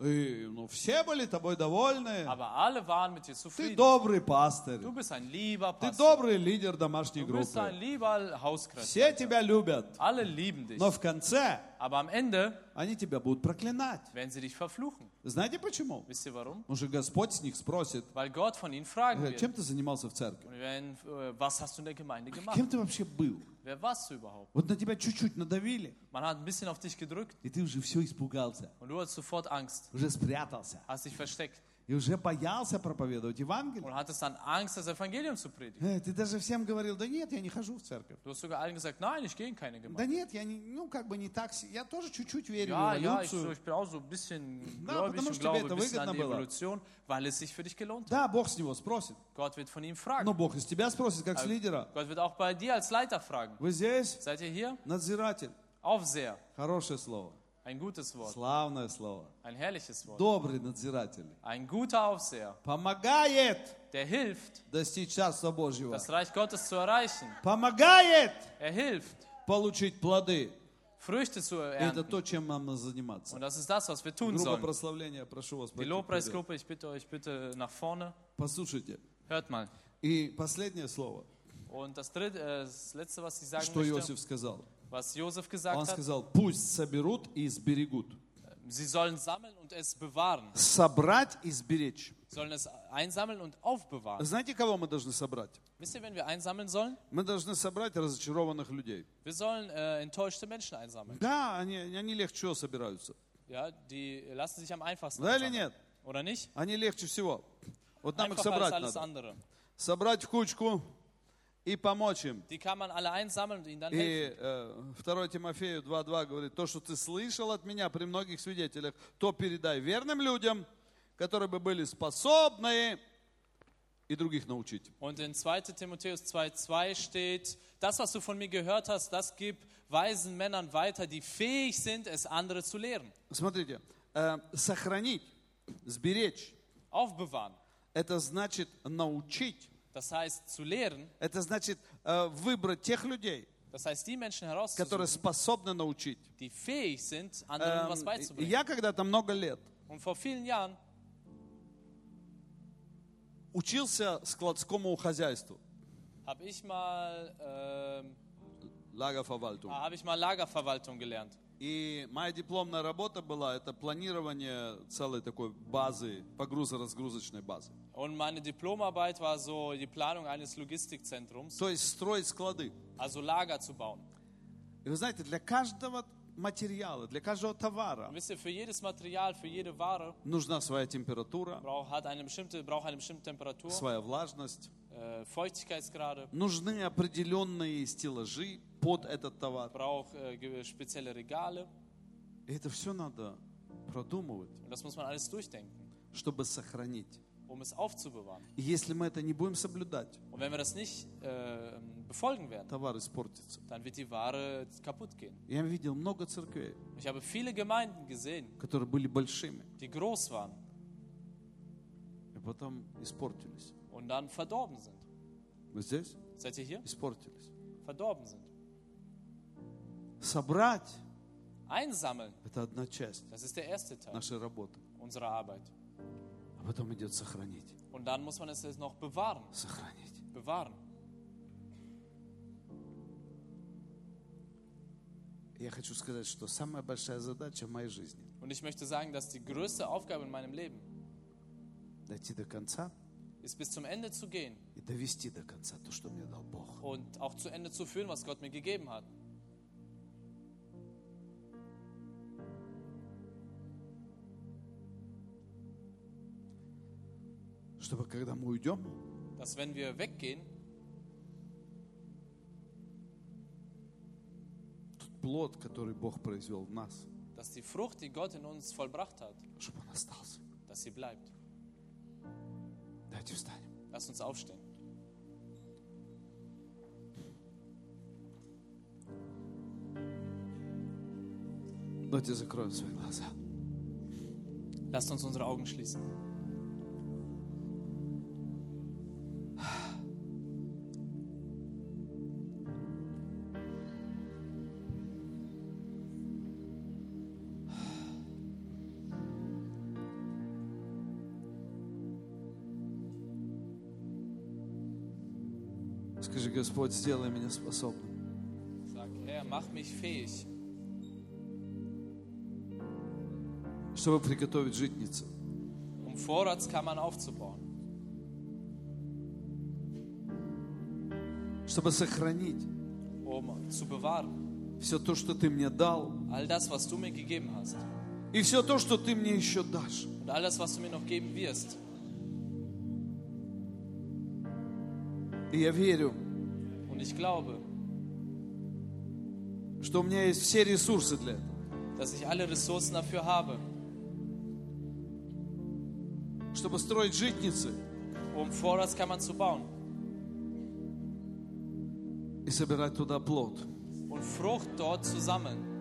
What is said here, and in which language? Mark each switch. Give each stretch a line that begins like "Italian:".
Russian: И, ну, все были тобой довольны.
German: Aber alle waren mit dir zufrieden.
Russian: Ты добрый пастор.
German: Du bist ein lieber Pastor.
Russian: Ты добрый лидер домашней группы.
German: Du bist ein lieber Hauskreis.
Russian: Все тебя любят.
German: Alle lieben dich.
Russian: Но в конце,
German: aber am Ende,
Russian: они тебя будут проклинать.
German: Werden sie dich verfluchen.
Russian: Знаете почему?
German: Wisst ihr warum?
Russian: Потому что Господь с них спросит.
German: Weil Gott von ihnen fragen wird.
Russian: Чем ты занимался в церкви?
German: Was hast du in der Gemeinde gemacht?
Russian: Кем ты вообще был?
German: Wer warst du überhaupt?
Russian: Вот на тебя чуть-чуть надавили.
German: Man hat ein bisschen auf dich gedrückt.
Russian: И ты уже все испугался.
German: Und du hast sofort Angst.
Russian: Уже спрятался.
German: Hast dich versteckt.
Russian: И уже боялся проповедовать Евангелие.
German: Und hattest dann Angst, das Evangelium zu predigen.
Russian: Ты даже всем говорил, да нет, я не хожу в церковь.
German: Du hast sogar allen gesagt, nein, ich gehe in keine Gemeinde.
Russian: Да нет, я не, ну как бы не так, я тоже чуть-чуть верю
German: ja,
Russian: в эволюцию.
German: Ja, ich bin auch so ein bisschen gläubig,
Russian: да, потому что
German: glaube,
Russian: тебе это
German: Evolution,
Russian: было.
German: Weil es sich für dich gelohnt hat.
Russian: Да, Бог с него спросит.
German: Gott wird von ihm fragen.
Russian: Но Бог из тебя спросит, как с лидера.
German: Gott wird auch bei dir als Leiter fragen.
Russian: Вы здесь?
German: Seid ihr hier?
Russian: Надзиратель.
German: Aufseher.
Russian: Хорошее слово.
German: Ein gutes Wort.
Russian: Славное слово.
German: Ein herrliches Wort.
Russian: Добрый надзиратель.
German: Ein guter Aufseher.
Russian: Помогает.
German: Der hilft.
Russian: Достичь Царства Божьего.
German: Das Reich Gottes zu erreichen.
Russian: Помогает.
German: Er hilft.
Russian: Получить плоды.
German: Früchte zu ernten.
Russian: Это то, чем нам надо заниматься.
German: Und das ist das, was wir tun
Russian: Группа
German: sollen.
Russian: Прославления, прошу вас.
German: Die Lobpreisgruppe, ich bitte euch bitte nach vorne.
Russian: Послушайте.
German: Hört mal.
Russian: И последнее слово.
German: Und das dritte, das letzte, was ich sagen
Russian: Что
German: möchte.
Russian: Иосиф сказал?
German: Was Josef gesagt
Russian: Он
German: hat,
Russian: сказал, пусть соберут и сберегут.
German: Sie sollen sammeln und es bewahren.
Russian: Собрать и сберечь.
German: Sollen es einsammeln und aufbewahren.
Russian: Знаете, кого мы должны собрать?
German: Wisst ihr, wen wir einsammeln sollen?
Russian: Мы должны собрать разочарованных людей.
German: Wir sollen enttäuschte Menschen einsammeln.
Russian: Да, они легче собираются.
German: Ja, die lassen sich am einfachsten
Russian: Да или нет?
German: Oder nicht?
Russian: Они легче всего. Вот нам их собрать
German: alles andere.
Russian: Надо. Собрать в кучку. И помочь им.
German: Die kann man alle einsammeln und ihnen dann
Russian: и 2 Тимофею 2:2 говорит, то, что ты слышал от меня при многих свидетелях, то передай верным людям, которые бы были способны и других научить.
German: Und in 2 Timotheus 2:2 steht, das, was du von mir gehört hast, das gib weisen Männern weiter, die fähig sind, es andere zu lehren.
Russian: Смотрите, сохранить, сберечь,
German: aufbewahren,
Russian: это значит научить.
German: Das heißt, zu lehren,
Russian: это значит выбрать тех людей,
German: das heißt, die Menschen herauszusuchen,
Russian: которые способны научить.
German: Die fähig sind, anderen was beizubringen.
Russian: Я когда-то много лет
German: und vor vielen Jahren,
Russian: учился складскому хозяйству.
German: Hab ich mal, Lagerverwaltung. Hab ich mal Lagerverwaltung gelernt.
Russian: И моя дипломная работа была это планирование целой такой базы, погрузо-разгрузочной базы.
German: Und meine Diplomarbeit war so die Planung eines Logistikzentrums.
Russian: То есть строить склады.
German: Also Lager zu bauen.
Russian: И вы знаете, для каждого материала, для каждого товара.
German: Wisst ihr, für jedes Material, für jede Ware,
Russian: нужна своя температура.
German: Braucht eine bestimmte Temperatur.
Russian: Своя влажность.
German: Feuchtigkeitsgrade.
Russian: Нужны определенные стеллажи под этот товар.
German: Braucht spezielle Regale.
Russian: И это все надо продумывать.
German: Und das muss man alles durchdenken.
Russian: Чтобы сохранить.
German: Um es aufzubewahren.
Russian: И если мы это не будем соблюдать,
German: und wenn wir das nicht, befolgen werden,
Russian: товар испортится.
German: Dann wird die Ware kaputt gehen.
Russian: Я видел много церквей,
German: ich habe viele Gemeinden gesehen,
Russian: которые были большими,
German: die groß waren,
Russian: и потом испортились.
German: Und dann verdorben sind.
Russian: Вы здесь?
German: Seid ihr hier?
Russian: Испортились.
German: Verdorben sind.
Russian: Собрать,
German: einsammeln,
Russian: это одна часть,
German: das ist der erste Teil,
Russian: нашей работы,
German: unserer Arbeit.
Russian: Потом идет сохранить.
German: Und dann muss man es noch bewahren.
Russian: Сохранить.
German: Bewahren.
Russian: Я хочу сказать, что самая большая задача в моей жизни.
German: Und ich möchte sagen, dass die größte Aufgabe in meinem Leben
Russian: дойти до конца,
German: ist bis zum Ende zu gehen
Russian: и довести до конца то, что мне дал Бог.
German: Und auch zu Ende zu führen, was Gott mir gegeben hat.
Russian: Чтобы когда мы уйдем,
German: dass wenn wir weggehen,
Russian: тот плод, который Бог произвел в нас,
German: dass die Frucht, die Gott in uns vollbracht hat,
Russian: чтобы он остался,
German: dass sie bleibt.
Russian: Давайте встанем.
German: Lass uns aufstehen.
Russian: Давайте закроем свои глаза.
German: Lass uns unsere Augen schließen.
Russian: Скажи, Господь, сделай меня способным.
German: Sag, Herr, mach mich fähig.
Russian: Чтобы приготовить житницу.
German: Vorratskammern aufzubauen.
Russian: Чтобы сохранить.
German: Zu bewahren.
Russian: Все то, что ты мне дал.
German: All das, was du mir gegeben hast.
Russian: И все то, что ты мне еще дашь.
German: Und all das, was du mir noch geben wirst.
Russian: И я верю.
German: Und ich glaube,
Russian: что у меня есть все ресурсы для этого.
German: Dass ich alle Ressourcen dafür habe.
Russian: Чтобы строить житницы.
German: Um Vorratskammern zu bauen.
Russian: И собирать туда плод.
German: Und Frucht dort zu sammeln.